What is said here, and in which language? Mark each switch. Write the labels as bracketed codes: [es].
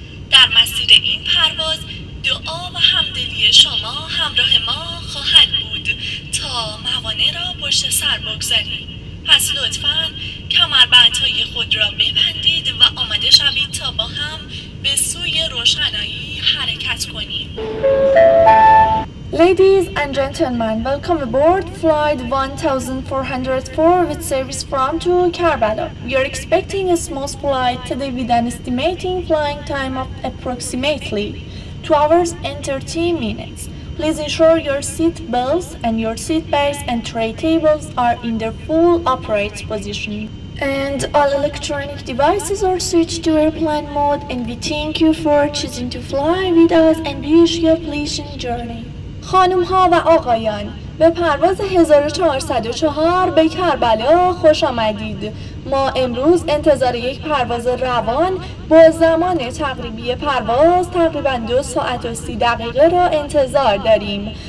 [fa] در مسیر این پرواز دعا و همدلی شما همراه ما خواهد بود تا موانع را پشت سر بگذاریم. پس لطفاً کمربندهای خود را ببندید و آماده شوید تا با هم به سوی روشنایی حرکت کنیم. [en] Ladies and gentlemen, welcome aboard flight 1404 with service from to Karbala. We are expecting a smooth flight today with an estimating flying time of approximately 2 hours and 13 minutes. Please ensure your seat belts and your seat bags and tray tables are in their full upright position. And all electronic devices are switched to airplane mode, and we thank you for choosing to fly with us and wish you a pleasant journey. [fa] خانم ها و آقایان، به پرواز 1404 به کربلا خوش آمدید. ما امروز انتظار یک پرواز روان با زمان تقریبی پرواز تقریبا 2 ساعت و 30 دقیقه را انتظار داریم.